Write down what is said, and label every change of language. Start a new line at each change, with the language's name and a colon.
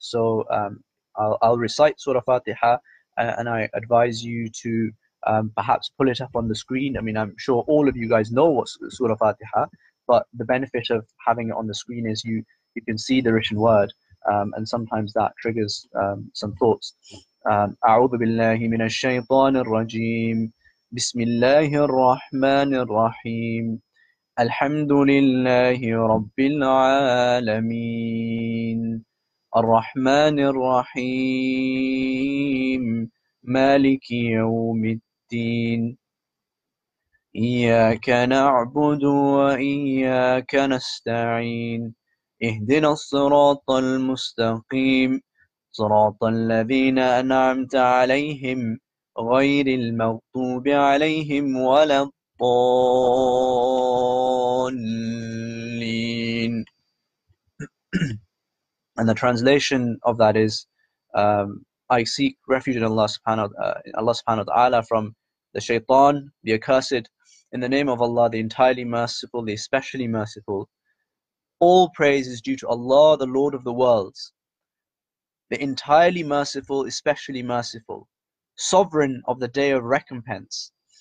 English: I'll recite Surah Fatiha, and I advise you to perhaps pull it up on the screen. I mean, I'm sure all of you guys know what Surah Fatiha, but the benefit of having it on the screen is you can see the written word, and sometimes that triggers some thoughts.
Arabic: أعوذ بالله من الشيطان الرجيم بسم الله الرحمن الرحيم الحمد لله رب العالمين الرحمن الرحيم مالك يوم الدين إياك نعبد وإياك نستعين اهدنا الصراط المستقيم صراط الذين أنعمت عليهم غير المغضوب عليهم ولا الضالين.
English: And the translation of that is, I seek refuge in Allah subhanahu wa ta'ala from the shaytan, the accursed, in the name of Allah, the entirely merciful, the especially merciful. All praise is due to Allah, the Lord of the worlds, the entirely merciful, especially merciful, sovereign of the day of recompense.